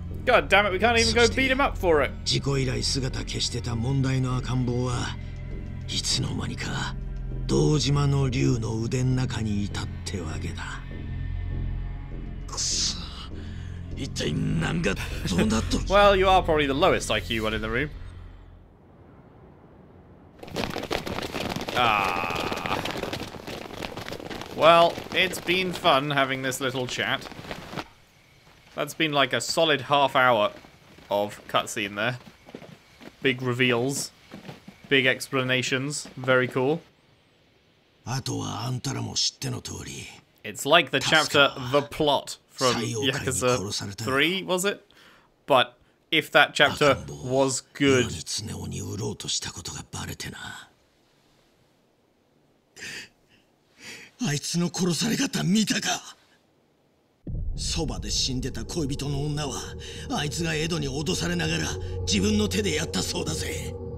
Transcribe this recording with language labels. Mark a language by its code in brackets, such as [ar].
[en] God damn it, we can't even go beat him up for it. [ja] 事故以来姿消してた問題の赤ん坊はいつの間にか道島の竜の腕の中にいたってわけだ。くそ、一体何がどうなっとる。 [en] Well, you are probably the lowest IQ one in the room. Well, it's been fun having this little chat. That's been like a solid half hour of cutscene there. Big reveals, big explanations, very cool. [ja] あとはあんたらも知っての通り。 [en] It's like the chapter The Plot from Yakuza 3, was it? But if that chapter was good. [ja] 岩見常夫に売ろうとしたことがバレてな。あいつの殺され方見たか。そばで死んでた恋人の女はあいつが江戸に脅されながら自分の手でやったそうだぜ。